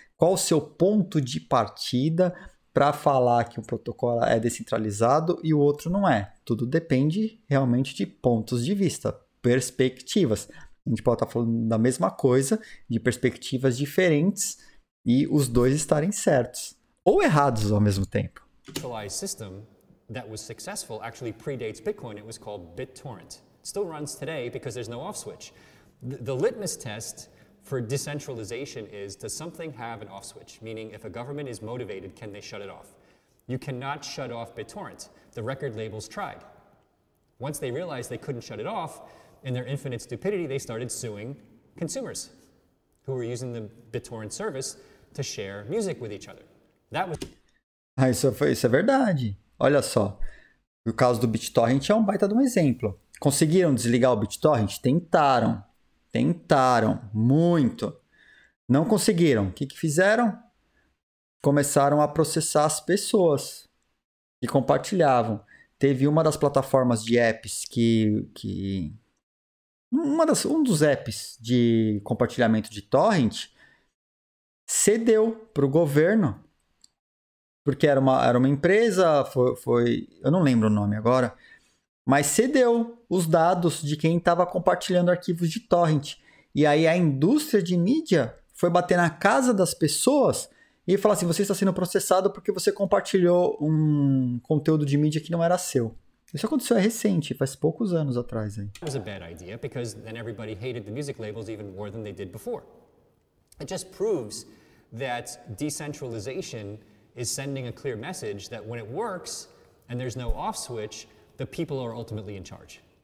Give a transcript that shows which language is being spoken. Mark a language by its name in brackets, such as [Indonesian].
[Portuguese] Qual o seu ponto de partida para falar que o protocolo é descentralizado e o outro não é? Tudo depende realmente de pontos de vista, perspectivas. A gente pode estar falando da mesma coisa, de perspectivas diferentes e os dois estarem certos ou errados ao mesmo tempo. [English] Centralized system that was successful actually predates Bitcoin. It was called BitTorrent. Still runs today because there's no off switch. The litmus test for decentralization is, does something have an off switch? Meaning, if a government is motivated, can they shut it off? You cannot shut off BitTorrent. The record labels tried. Once they realized they couldn't shut it off, in their infinite stupidity, they started suing consumers who were using the BitTorrent service to share music with each other. That was... [Portuguese] Isso é verdade. Olha só, o caso do BitTorrent é um baita de um exemplo. Conseguiram desligar o BitTorrent? Tentaram. Tentaram muito. Não conseguiram. O que, que fizeram? Começaram a processar as pessoas que compartilhavam. Teve uma das plataformas de apps que um dos apps de compartilhamento de torrent cedeu para o governo, porque era uma empresa, eu não lembro o nome agora, mas cedeu os dados de quem estava compartilhando arquivos de torrent. E aí a indústria de mídia foi bater na casa das pessoas e falar assim, você está sendo processado porque você compartilhou um conteúdo de mídia que não era seu. Isso aconteceu recente, faz poucos anos atrás. Foi uma má ideia, porque [English] then everybody hated the music labels even more than they did before. It just proves that decentralization is sending a clear message that when it works and there's no off switch, the people are ultimately in charge.